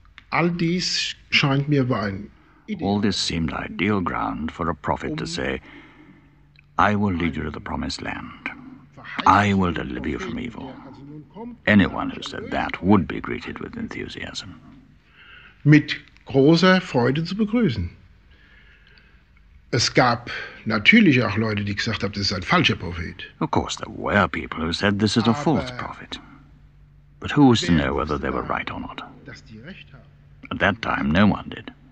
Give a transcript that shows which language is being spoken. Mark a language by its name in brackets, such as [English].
[German] All dies scheint mir ein. [English] All this seemed ideal ground for a prophet to say, I will lead you to the promised land. I will deliver you from evil. Anyone who said that would be greeted with enthusiasm. [German] Mit großer Freude zu begrüßen. Es gab natürlich auch Leute, die gesagt haben, das ist ein falscher Prophet. [English] Of course, there were people who said this is a false prophet. But who was to know whether they were right or not? At that time, no one did.